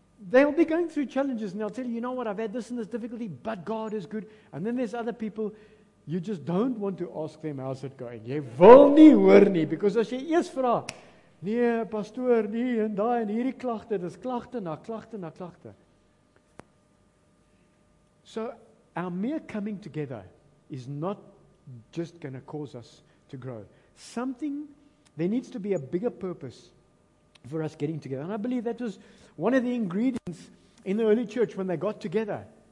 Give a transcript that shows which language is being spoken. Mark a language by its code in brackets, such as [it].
[en] they'll be going through challenges and they'll tell you, you know what, I've had this and this difficulty, but God is good. And then there's other people, you just don't want to ask them how's it going. [af] Jy wil nie hoor nie, because as jy eers vra, nee, pastoor, nie, en daai en hierdie klagte, dis klagte na klagte na klagte. [en] So, our mere coming together is not just going to cause us to grow. Something, there needs to be a bigger purpose for us getting together. And I believe that was one of the ingredients in the early church when they got together.